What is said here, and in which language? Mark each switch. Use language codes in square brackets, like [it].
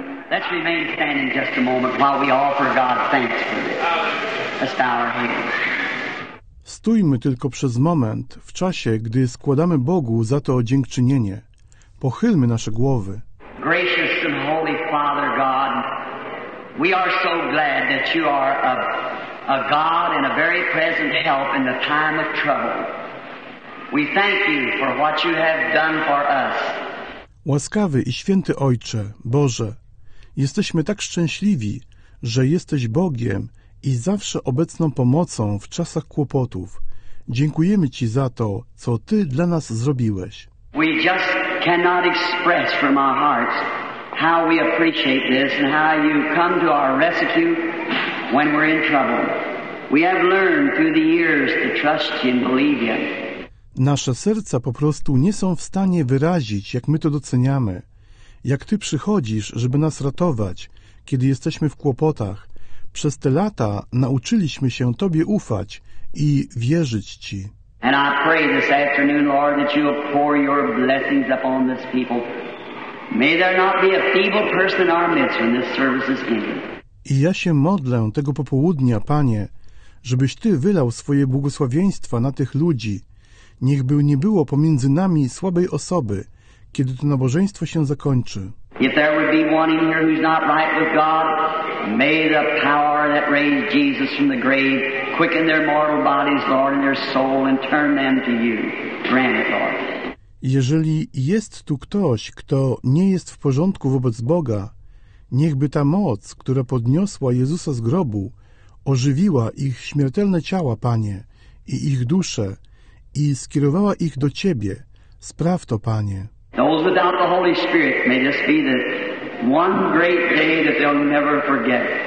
[en] Let's remain standing just a moment while we offer God thanks for this. Let's bow our hands. [pl] Stójmy tylko przez moment w czasie, gdy składamy Bogu za to dziękczynienie. Pochylmy nasze głowy. [en] Gracious and holy Father God, we are so glad that you are a God and a very present help in the time of trouble. We thank you for what you have done for us. [pl] Łaskawy i święty Ojcze, Boże, jesteśmy tak szczęśliwi, że jesteś Bogiem i zawsze obecną pomocą w czasach kłopotów. Dziękujemy Ci za to, co Ty dla nas zrobiłeś. [en] We just cannot express from our hearts how we appreciate this and how you come to our rescue when we're in trouble. We have learned through the years to trust you and believe you. [pl] Nasze serca po prostu nie są w stanie wyrazić, jak my to doceniamy. Jak Ty przychodzisz, żeby nas ratować, kiedy jesteśmy w kłopotach, przez te lata nauczyliśmy się Tobie ufać i wierzyć Ci. [en] And I pray this afternoon, Lord, that you will pour your blessings upon this people. May there not be a feeble person in our midst when this service is ended. [pl] I ja się modlę tego popołudnia, Panie, żebyś Ty wylał swoje błogosławieństwa na tych ludzi. Niech by nie było pomiędzy nami słabej osoby, kiedy to nabożeństwo się zakończy. [en] If there would be one in here who's not right with God, may the power that raised Jesus from the grave quicken their mortal bodies, Lord, and their soul, and turn them to you. Grant it, Lord. [pl] Jeżeli jest tu ktoś, kto nie jest w porządku wobec Boga, niechby ta moc, która podniosła Jezusa z grobu, ożywiła ich śmiertelne ciała, Panie, i ich dusze, i skierowała ich do Ciebie. Spraw to, Panie. [en] Those without the Holy Spirit may this be the one great day that they'll never forget.